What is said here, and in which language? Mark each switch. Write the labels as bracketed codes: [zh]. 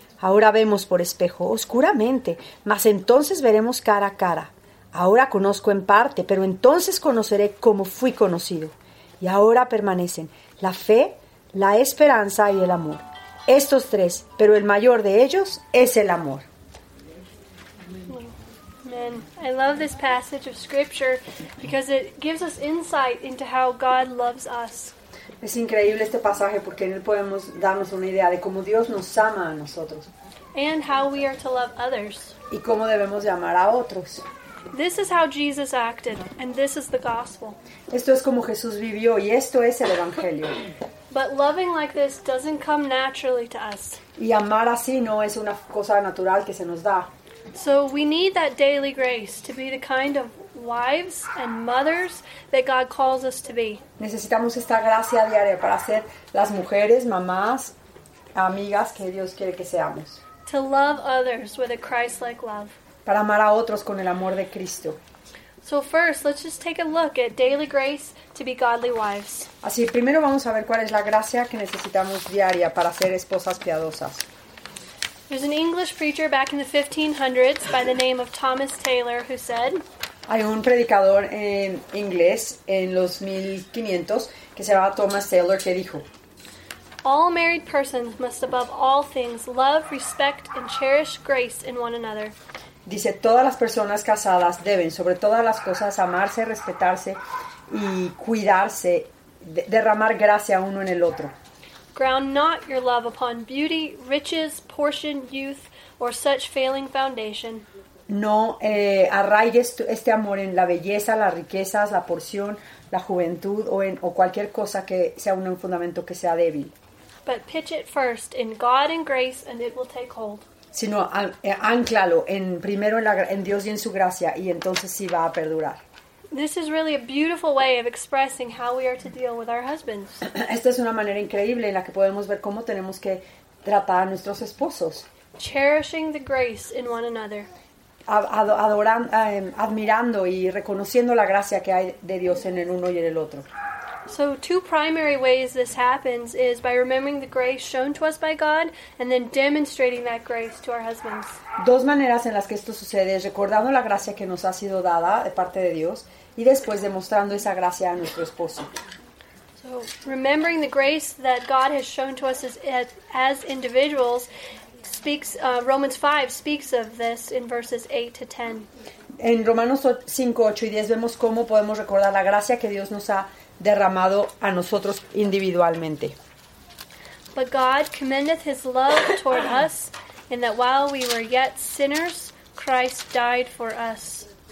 [es] Ahora vemos por espejo, oscuramente, mas entonces veremos cara a cara. Ahora conozco en parte, pero entonces conoceré como fui conocido. Y ahora permanecen la fe, la esperanza y el amor. Estos tres, pero el mayor de ellos es el amor. [en] And I love this passage of scripture because it gives us insight into how God loves us. [es] Es increíble este pasaje porque en él podemos darnos una idea de cómo Dios nos ama a nosotros. [en] And how we are to love others. [es] Y cómo debemos llamar a otros. [en] This is how Jesus acted, and this is the gospel. [es] Esto es como Jesús vivió y esto es el evangelio. [en] But loving like this doesn't come naturally to us. [es] Y amar así no es una cosa natural que se nos da. [en] So we need that daily grace to be the kind of wives and mothers that God calls us to be. [es] Necesitamos esta gracia diaria para ser las mujeres, mamás, amigas que Dios quiere que seamos. [en] To love others with a Christ-like love. [es] Para amar a otros con el amor de Cristo. [en] So first, let's just take a look at daily grace to be godly wives. [es] Así, primero vamos a ver cuál es la gracia que necesitamos diaria para ser esposas piadosas. [en] There's an English preacher back in the 1500s by the name of Thomas Taylor who said, [es] hay un predicador en inglés en los 1500 que se llamaba Thomas Taylor que dijo, [en] all married persons must above all things love, respect and cherish grace in one another. [es] Dice, todas las personas casadas deben sobre todas las cosas amarse, respetarse y cuidarse, derramar gracia uno en el otro. [en] Ground not your love upon beauty, riches, portion, youth, or such failing foundation. [es] No arraigues este amor en la belleza, las riquezas, la porción, la juventud, o cualquier cosa que sea un fundamento que sea débil. [en] But pitch it first in God and grace, and it will take hold. [es] Sino anclalo primero en Dios y en su gracia, y entonces sí va a perdurar. [en] This is really a beautiful way of expressing how we are to deal with our husbands. [es] Esta es una manera increíble en la que podemos ver cómo tenemos que tratar a nuestros esposos. [en] Cherishing the grace in one another. [es] Admirando y reconociendo la gracia que hay de Dios en el uno y en el otro. [en] So two primary ways this happens is by remembering the grace shown to us by God and then demonstrating that grace to our husbands. [es] Dos maneras en las que esto sucede es recordando la gracia que nos ha sido dada de parte de Dios y después demostrando esa gracia a nuestro esposo. [en] So remembering the grace that God has shown to us as individuals speaks Romans 5 speaks of this in verses 8 to 10. [es] En Romanos 5, 8 y 10 vemos cómo podemos recordar la gracia que Dios nos ha derramado a nosotros individualmente. [en] But God commendeth his love toward us in that while we were yet sinners, Christ died for us.